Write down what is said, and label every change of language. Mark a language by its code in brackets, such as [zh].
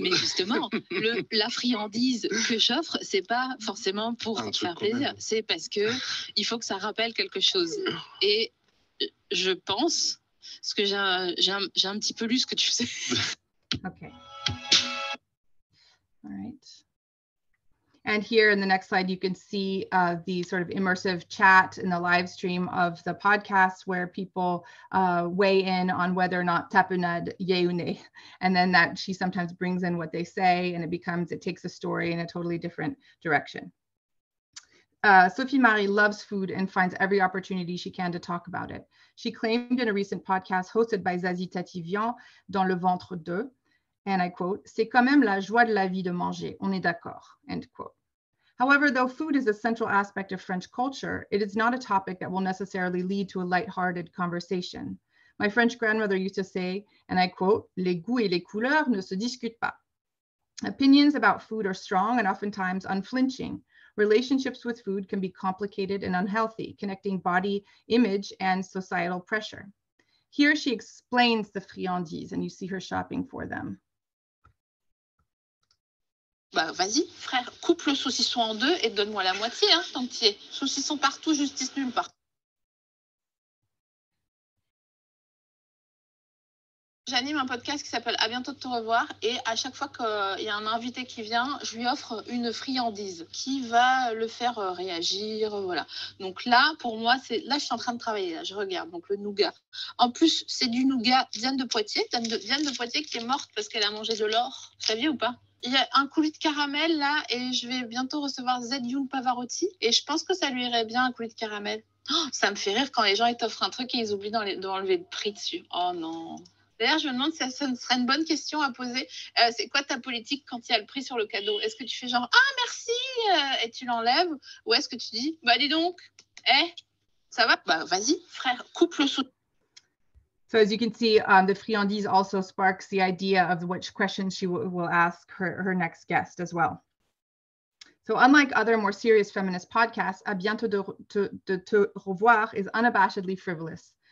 [fr] Mais justement, la friandise que j'offre, c'est pas forcément pour faire plaisir. C'est parce qu'il faut que ça rappelle quelque chose. Et je pense, parce que j'ai un petit peu lu ce que tu sais. [en] OK. All right. And here in the next slide, you can see the sort of immersive chat in the live stream of the podcast where people weigh in on whether or not tapenade, yay ou nay. And then that she sometimes brings in what they say and it takes a story in a totally different direction. Sophie Marie loves food and finds every opportunity she can to talk about it. She claimed in a recent podcast hosted by Zazie Tativian, Dans le ventre d'eux, and I quote, [fr] c'est quand même la joie de la vie de manger, on est d'accord, [en] end quote. However, though food is a central aspect of French culture, it is not a topic that will necessarily lead to a lighthearted conversation. My French grandmother used to say, and I quote, [fr] "Les goûts et les couleurs ne se discutent pas." [en] Opinions about food are strong and oftentimes unflinching. Relationships with food can be complicated and unhealthy, connecting body image and societal pressure. Here she explains the friandises, and you see her shopping for them. [fr] Bah, vas-y, frère, coupe le saucisson en deux et donne-moi la moitié, hein, tant que t'y es. Saucisson partout, justice nulle part. J'anime un podcast qui s'appelle « À bientôt de te revoir » et à chaque fois qu'il y a un invité qui vient, je lui offre une friandise qui va le faire réagir, voilà. Donc là, pour moi, c'est là, je suis en train de travailler, là, je regarde, donc le nougat. En plus, c'est du nougat Diane de Poitiers qui est morte parce qu'elle a mangé de l'or, vous saviez ou pas? Il y a un coulis de caramel là et je vais bientôt recevoir Zed Young Pavarotti et je pense que ça lui irait bien un coulis de caramel. Oh, ça me fait rire quand les gens ils t'offrent un truc et ils oublient d'enlever le prix dessus. Oh non. D'ailleurs, je me demande si ça serait une bonne question à poser. C'est quoi ta politique quand il y a le prix sur le cadeau? Est-ce que tu fais genre « Ah, merci !» et tu l'enlèves? Ou est-ce que tu dis « Bah, dis donc, ça va ?» Bah, vas-y, frère, coupe le sou. [en] So as you can see, the friandise also sparks the idea of which questions she will ask her next guest as well. So unlike other more serious feminist podcasts, A Bientôt de Te Revoir is unabashedly frivolous.